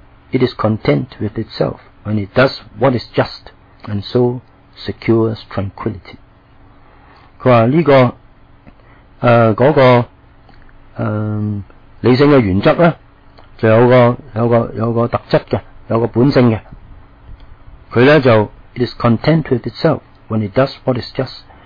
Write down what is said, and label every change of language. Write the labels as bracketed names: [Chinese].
[English] It is content with itself when it does what is just and so secures tranquility. [Chinese] 他说这个理性的原则呢，就有个特质的，有个本性的。他呢就 [English] it is content with itself when it does what is just.